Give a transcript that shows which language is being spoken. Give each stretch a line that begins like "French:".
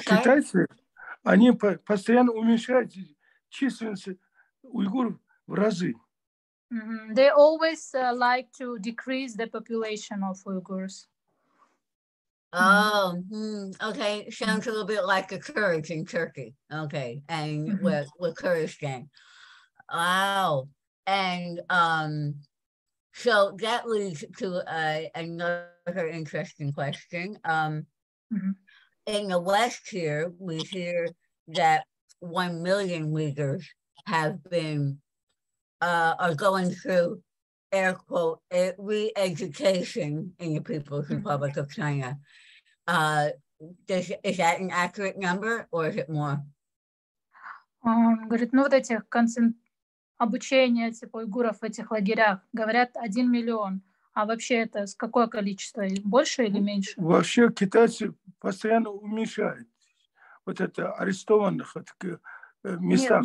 Russian: Китайцы, они постоянно уменьшают численность уйгуров в разы.
English: They always like to decrease the population of Uyghurs. Okay, sounds a little bit like the Kurds in Turkey. Okay, and with Kurdistan. Wow, and so that leads to another interesting question. In the West here, we hear that 1 million Uyghurs have been are going through air quote re-education in the People's Republic of China. Is that an accurate number or is it more?
Russian: Говорит, ну вот этих обучение типа уйгуров в этих лагерях говорят 1 миллион. А вообще это с какое количество, больше или меньше? Вообще китайцы постоянно уменьшают вот это арестованных от местах.